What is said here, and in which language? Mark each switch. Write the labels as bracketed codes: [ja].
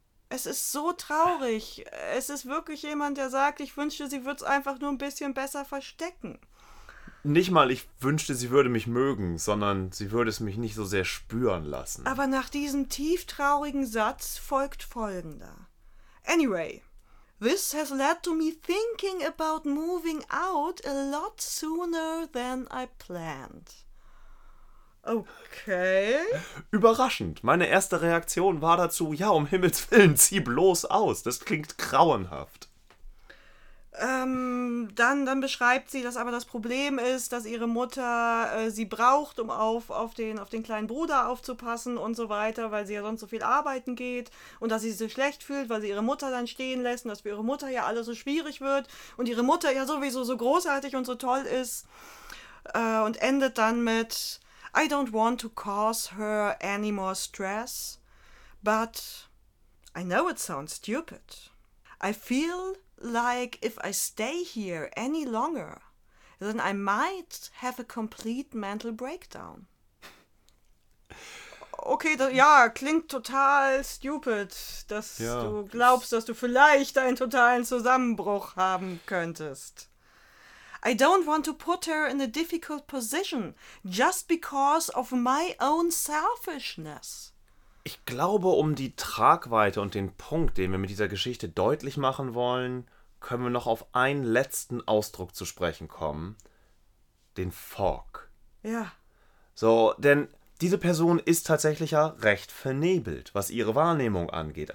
[de] Es ist so traurig. Es ist wirklich jemand, der sagt, ich wünschte, sie würde es einfach nur ein bisschen besser verstecken. Nicht mal, ich wünschte, sie würde mich mögen, sondern sie würde es mich nicht so sehr spüren lassen. Aber nach diesem tief traurigen Satz folgt folgender. [en] Anyway, this has led to me thinking about moving out a lot sooner than I planned. [de] Okay. Überraschend. Meine erste Reaktion war dazu, ja, um Himmels Willen, zieh bloß aus. Das klingt grauenhaft. Dann beschreibt sie, dass aber das Problem ist, dass ihre Mutter sie braucht, um auf den kleinen Bruder aufzupassen und so weiter, weil sie ja sonst so viel arbeiten geht und dass sie sich schlecht fühlt, weil sie ihre Mutter dann stehen lässt und dass für ihre Mutter ja alles so schwierig wird und ihre Mutter ja sowieso so großartig und so toll ist und endet dann mit [en] I don't want to cause her any more stress, but I know it sounds stupid. I feel like if I stay here any longer, then I might have a complete mental breakdown. [de] Okay, klingt total stupid, dass ja, du glaubst, dass du vielleicht einen totalen Zusammenbruch haben könntest. [en] I don't want to put her in a difficult position just because of my own selfishness. [de] Ich glaube, um die Tragweite und den Punkt, den wir mit dieser Geschichte deutlich machen wollen, können wir noch auf einen letzten Ausdruck zu sprechen kommen. Den Fog. Ja. So, denn diese Person ist tatsächlich ja recht vernebelt, was ihre Wahrnehmung angeht.